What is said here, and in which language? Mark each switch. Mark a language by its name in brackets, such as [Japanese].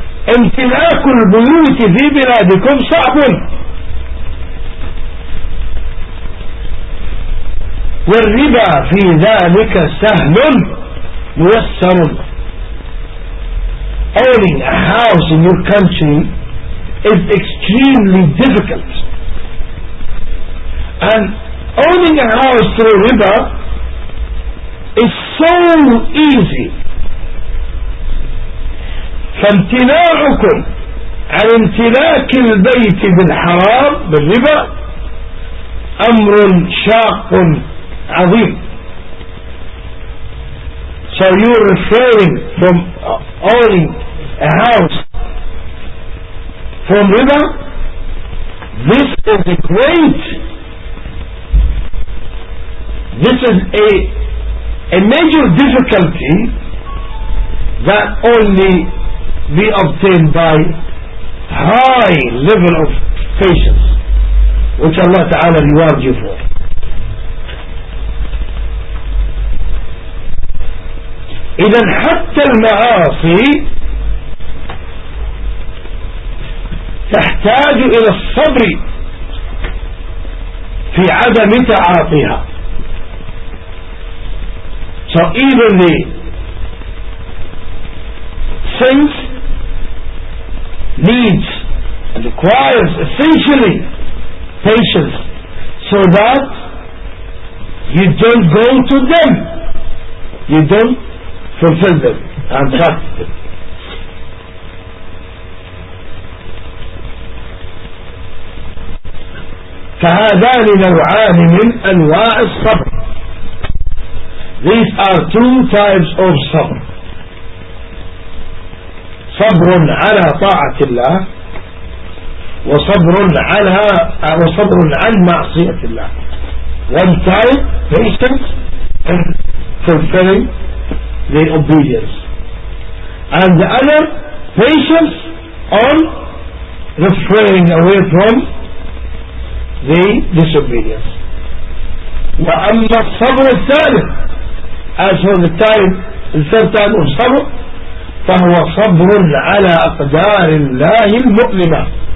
[Arabic] امتلاك البيوت في بلادكم صعب والربا في ذلك سهل ميسر. [English] Owning a house in your country is extremely difficult. And owning a house through riba is so easy. [Arabic] فامتناعكم عن امتلاك البيت بالحرام بالربا أمر شاق عظيم. [English] So you're referring from owning a house from riba, this is a great, this is a major difficulty that only be obtained by high level of patience, which Allah Ta'ala rewards you for. [Arabic] إذن حتى المعاصي تحتاج إلى الصبر في عدم تعاطيها. [English] So even the sins needs and requires essentially patience so that you don't go to them, you don't fulfill them and trust them. [Arabic] فهذان نوعان من أنواع الصبر. [English] These are two types of sabr. [Arabic] صبر على طاعة الله وصبر على وصبر عن معصية الله. [English] One time, patience and fulfilling the obedience. And the other, patience on refraining away from the disobedience. [Arabic] وأما الصبر الثالث, [English] as for the time, the third time of [Arabic] صبر, فهو صبر على أقدار الله المؤلمة.